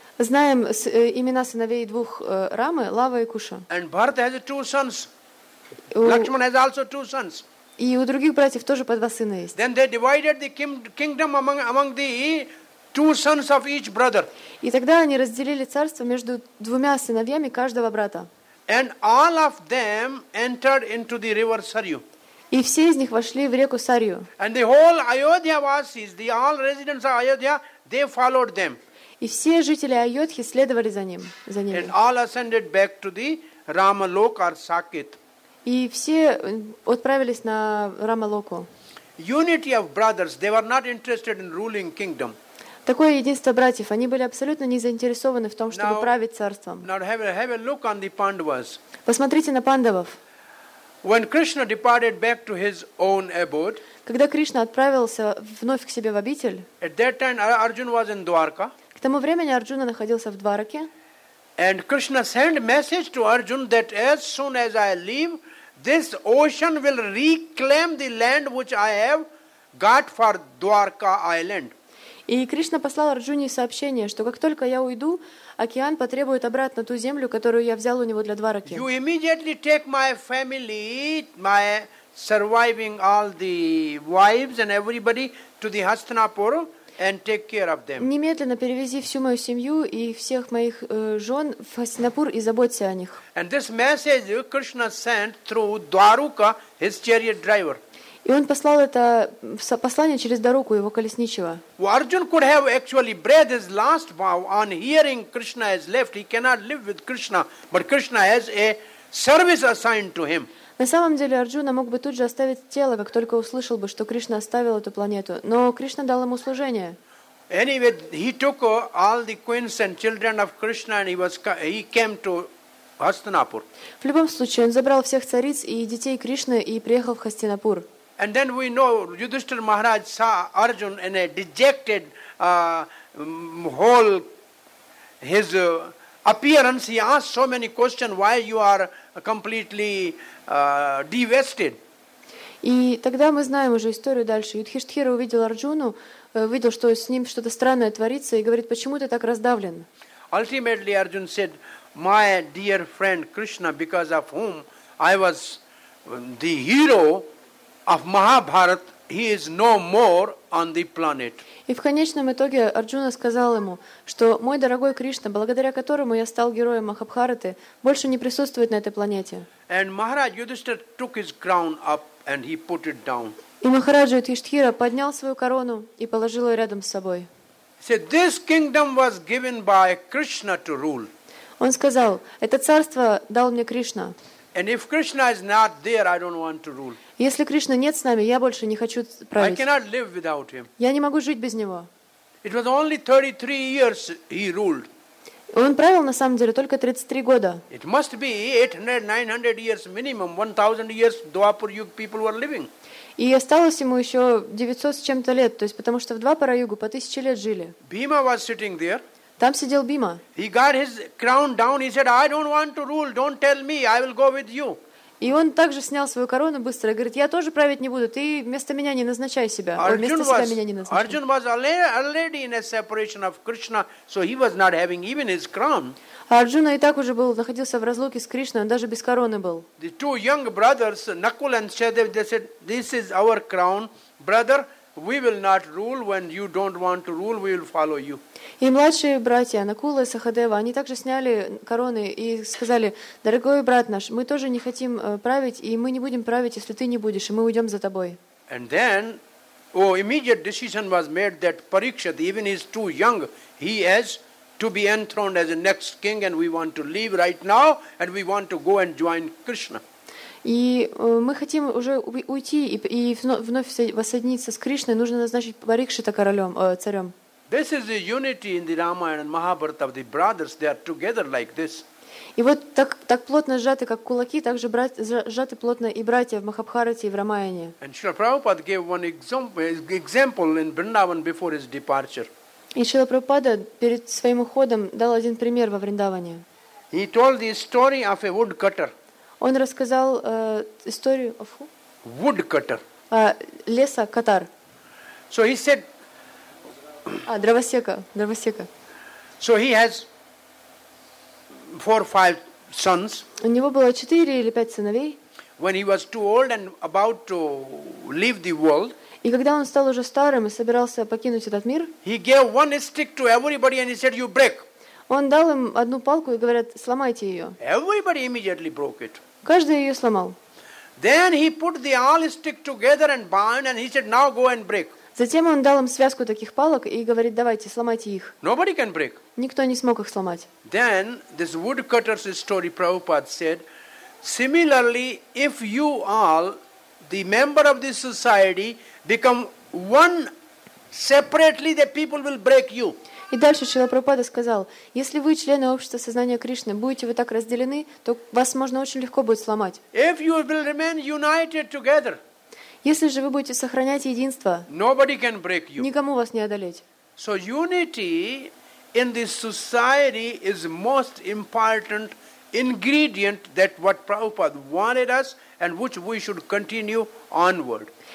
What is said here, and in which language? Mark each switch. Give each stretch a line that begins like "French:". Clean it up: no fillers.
Russian: Знаем имена сыновей двух Рамы, Лава и Куша.
English: And Bharat has two sons. Lakshman has also two sons.
Russian: И у других братьев тоже по два сына есть.
English: Then they divided the kingdom among the two sons of each brother.
Russian: И тогда они разделили царство между двумя сыновьями каждого брата.
English: And all of them entered into the river Sarayu.
Russian: И все из них вошли в реку Сарью.
English: And the whole Ayodhya Vasis, the all residents of Ayodhya, they followed them.
Russian: И все жители Айодхи следовали за ним, за ними.
English: And all ascended back to the Рамалока or Сакет.
Russian: И все отправились на Рамалоку.
English: Unity of brothers, they were not interested in ruling kingdom.
Russian: Такое единство братьев, они были абсолютно не заинтересованы в том, чтобы
English: now,
Russian: править царством.
English: Now have a look on the Pandavas.
Russian: Посмотрите на пандавов.
English: When Krishna departed back to his own abode,
Russian: когда Кришна отправился вновь к себе в обитель,
English: at that time Arjuna was in Dwarka.
Russian: К тому времени Арджуна находился в Двараке.
English: And Krishna sent message to Arjuna that as soon as I leave, this ocean will reclaim the land which I have got for Dwarka island.
Russian: И Кришна послал Арджуне сообщение, что как только я уйду, океан потребует обратно ту землю, которую я взял у него для Двараки.
English: You immediately take my family, my surviving all the wives and everybody to the Hastinapur. And take care of them.
Russian: Немедленно перевези всю мою семью и всех моих жен в Хастинапур и заботься о них.
English: And this message Krishna sent through Dwaruka, his chariot driver.
Russian: И он послал это послание через Даруку, его колесничего.
English: Arjun could have actually breathed his last vow on hearing Krishna has left. He cannot live with Krishna, but Krishna has a service assigned to him.
Russian: На самом деле Арджуна мог бы тут же оставить тело, как только услышал бы, что Кришна оставил эту планету. Но Кришна дал ему служение.
English: Anyway, he took all the queens and children of Krishna and he came to Hastinapur.
Russian: В любом случае, он забрал всех цариц и детей Кришны и приехал в Хастинапур.
English: And then we know Yudhishthira Maharaj saw Arjun in a dejected whole his appearance. He asked so many questions, why you are completely devastated.
Russian: И тогда мы знаем уже историю дальше. Юдхиштхира увидел Арджуну, видел, что с ним что-то странное творится, и говорит, почему ты так раздавлен?
English: Ultimately, Arjun said, my dear friend Krishna, because of whom I was the hero of Mahabharata, he is no more on the planet.
Russian: И в конечном итоге Арджуна сказал ему, что мой дорогой Кришна, благодаря которому я стал героем Махабхараты, больше не присутствует на этой планете.
English: And Maharaj Yudhishthira took his crown up and he put it down.
Russian: И Махараджа Юдхиштхира поднял свою корону и положил ее рядом с собой.
English: Said, this kingdom was given by Krishna to rule.
Russian: Он сказал, это царство дал мне Кришна.
English: And if Krishna is not there, I don't want to rule.
Russian: Если Кришна нет с нами, я больше не хочу править.
English: I cannot live without him.
Russian: Я не могу жить без него.
English: It was only 33 years he ruled.
Russian: Он правил на самом деле только 33 года.
English: It must be 800-900 years minimum, 1000 years Dwapar Yug people were living.
Russian: И осталось ему еще 900 с чем-то лет, то есть потому что в Двапара Югу по 1000 лет жили.
English: Bhima was sitting there.
Russian: Там сидел Бима.
English: He got his crown down. He said, "I don't want to rule. Don't tell me. I will go with you."
Russian: И он также снял свою корону быстро и говорит, я тоже править не буду, ты вместо меня не назначай себя.
English: Arjun was already in a separation of Krishna, so he was not having even his crown.
Russian: Арджуна и так уже был, находился в разлуке с Кришной, он даже без короны был.
English: The two young brothers, Nakul and Shadev, they said, this is our crown, brother, we will not rule when you don't want to rule, we will follow you.
Russian: И младшие братья, Накула и Сахадева, они также сняли короны и сказали, дорогой брат наш, мы тоже не хотим править, и мы не будем править, если ты не будешь, и мы уйдем за тобой.
English: And then, immediate decision was made that Parikshit, even he's too young, he has to be enthroned as the next king, and we want to leave right now, and we want to go and join Krishna.
Russian: И мы хотим уже уйти и вновь воссоединиться с Кришной, нужно назначить Парикшита королем, царем.
English: This is the unity in the Ramayana and Mahabharata of the brothers. They are together like this.
Russian: И вот так плотно сжаты, как кулаки, так же сжаты плотно и братья в Махабхарате и в Рамаяне.
English: And Srila Prabhupada gave one example in Vrindavan before his departure.
Russian: И Шрила Прабхупада перед своим уходом дал один пример во Вриндаване.
English: He told the story of a woodcutter.
Russian: Он рассказал историю
English: of who? Woodcutter. Леса Катар. So he said,
Russian: дровосека.
English: So he has 4 or 5 sons.
Russian: У него было 4 или 5 сыновей.
English: when he was too old and about to leave the world.
Russian: И когда он стал уже старым и собирался покинуть этот мир,
English: he gave one stick to everybody and he said, "You break."
Russian: Он дал им одну палку и говорит, сломайте ее.
English: Everybody immediately broke it.
Russian: Каждый ее сломал.
English: Then he put the all stick together and bound and he said, "Now go and break."
Russian: Затем он дал им связку таких палок и говорит, давайте, сломайте их.
English: Nobody can break.
Russian: Никто не смог их сломать.
English: Then this woodcutter's story, Prabhupada said, similarly, if you all, the member of this society, become one separately, the people will break you.
Russian: И дальше Шрила Прабхупада сказал, если вы, члены общества сознания Кришны, будете вы так разделены, то вас можно очень легко будет сломать.
English: If you will remain united together,
Russian: если же вы будете сохранять единство,
English: nobody can break you.
Russian: Никому вас не одолеть.
English: So unity in this society is most important ingredient that what Prabhupada wanted us and which we should continue onward.